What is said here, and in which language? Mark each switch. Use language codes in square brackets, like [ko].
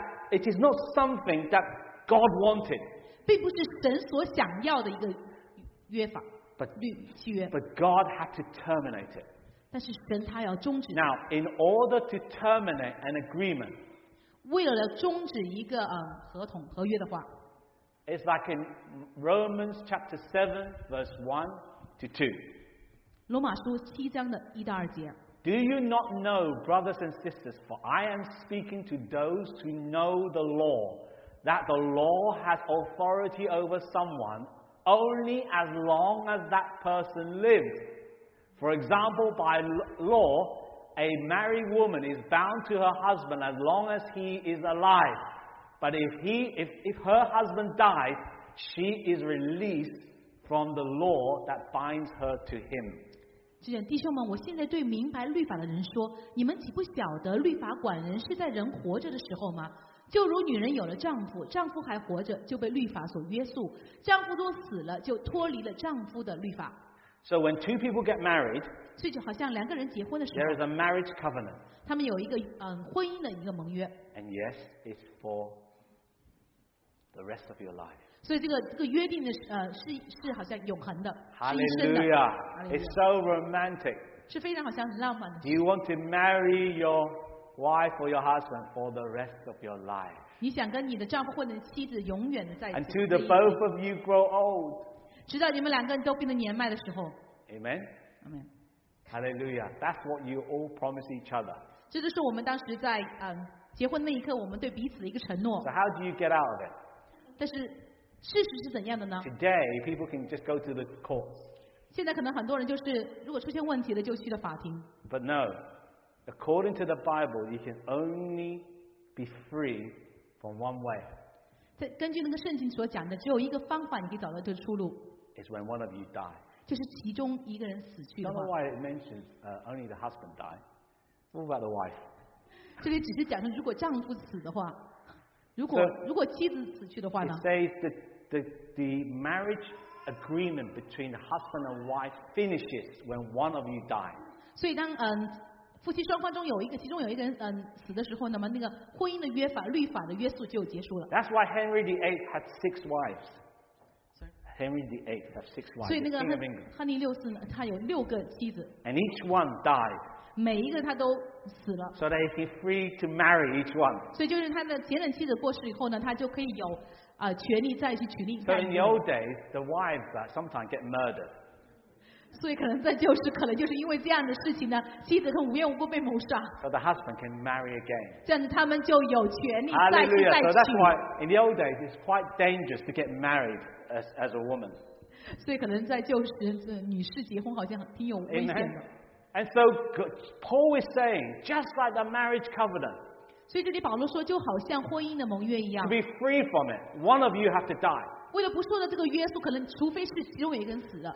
[en] It is not something that God wanted. [zh] 并不是神所想要的一个约法。 [en] But God had to terminate it. [zh] 但是神他要终止。 [en] Now, in order to terminate an agreement, [zh] 为了终止一个合同合约的话 [en] ，It's like in Romans chapter 7 verse 1-2. [zh] 罗马书七章的一到二节。 [en] Do you not know, brothers and sisters? For I am speaking to those who know the law, that the law has authority over someone. Only as long as that person lives. For example, by law, a married woman is bound to her husband as long as he is alive. But if her husband dies, she is released from the law that binds her to him. [zh] 这样，弟兄们，我现在对明白律法的人说，你们岂不晓得律法管人是在人活着的时候吗？就如女人有了丈夫，丈夫还活着，就被律法所约束；丈夫若死了，就脱离了丈夫的律法。 [en] So when two people get married, [zh] 所以就好像两个人结婚的时候 [en] ，there is a marriage covenant. [zh] 他们有一个婚姻的一个盟约。 [en] And yes, it's for the rest of your life. [zh] 所以这个约定的是好像永恒的， [en] Hallelujah. [zh] 是一生的。 [en] Hallelujah! It's so romantic. [zh] 是非常好像很浪漫的。 [en] Do you want to marry your wife or your husband for the rest of your life. [zh] 你想跟你的丈夫或者妻子永远的在一起。 [en] Until the both of you grow old. [zh] 直到你们两个人都变得年迈的时候。 [en] Amen. Amen. Hallelujah. That's what you all promise each other. [zh] 这就是我们当时在结婚那一刻我们对彼此的一个承诺。 [en] So how do you get out of it? [zh] 但是事实是怎样的呢 [en] ？Today, people can just go to the courts. [zh] 现在可能很多人就是如果出现问题了就去了法庭。 [en] But no. According to the Bible, you can only be free from one way. [zh] 根据那个圣经所讲的，只有一个方法你可以找到这个出路。 [en] It's when one of you die. [zh] 就是其中一个人死去的话。 [en] I don't know why it mentions only the husband die. What about the wife? [zh] 这里只是讲说，如果丈夫死的话，如果妻子死去的话呢 [en] ？It says that the marriage agreement between the husband and wife finishes when one of you dies. [zh] 所以当夫妻双方中有一个，其中有一个人死的时候，那么那个婚姻的约法、律法的约束就结束了。 [en] That's why Henry VIII had six wives. Henry VIII had six wives. [zh] 所以那个亨利六世呢，他有六个妻子。 [en] And each one died. [zh] 每一个他都死了。 [en] So that he is free to marry each one. [zh] 所以就是他的前任妻子过世以后呢，他就可以有权利再去娶另一 [en] 半。So in the old days, the wives sometimes get murdered. [zh] 所以可能在旧时，可能就是因为这样的事情呢，妻子很无缘无故被谋杀。 [en] So the husband can marry again. [zh] 这样子他们就有权利再次再娶。 [en] So that's why in the old days it's quite dangerous to get married as a woman. [zh] 所以可能在旧时，女士结婚好像挺有危险的。 [en] And so Paul is saying, just like the marriage covenant. [zh] 所以这里保罗说，就好像婚姻的盟约一样。 [en] To be free from it, one of you have to die. [zh] 为了不受到这个约束，可能除非是其中有一个人死了。